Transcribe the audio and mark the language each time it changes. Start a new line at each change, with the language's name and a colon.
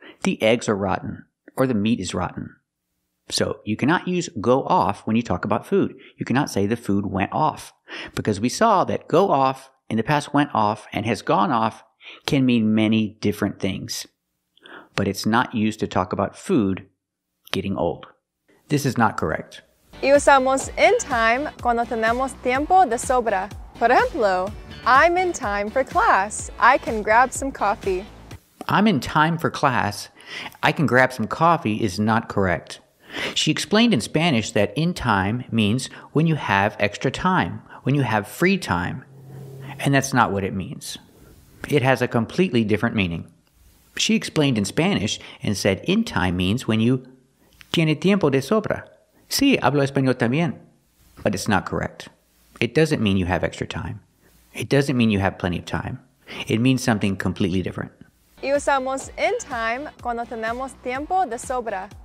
English: The eggs are rotten, or the meat is rotten. So you cannot use go off when you talk about food. You cannot say the food went off. Because we saw that go off in the past went off and has gone off can mean many different things. But it's not used to talk about food getting old. This is not correct.
Spanish: Y usamos in time cuando tenemos tiempo de sobra. Por ejemplo,
English: I'm in time for class. I can grab some coffee. I'm in time for class. I can grab some coffee is not correct. She explained in Spanish that in time means when you have extra time, when you have free time. And that's not what it means. It has a completely different meaning. She explained in Spanish and said in time means when you
Spanish: tiene tiempo de sobra. Sí, hablo español también.
English: But it's not correct. It doesn't mean you have extra time. It doesn't mean you have plenty of time. It means something completely different.
Spanish: Y usamos in time cuando tenemos tiempo de sobra.